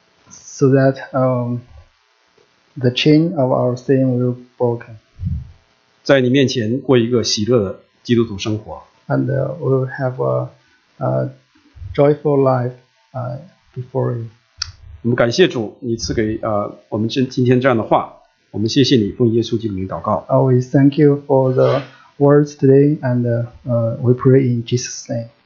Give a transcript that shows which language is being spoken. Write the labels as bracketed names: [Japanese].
[English] So that the chain of our sin will be broken. [Chinese] 在你面前过一个喜乐的基督徒生活。 [English] And we'll have a joyful life before you. [Chinese] 我们感谢主，你赐给我们今天这样的话。我们谢谢你，奉耶稣基督的名祷告。 [English] We thank you for the words today, and we pray in Jesus' name.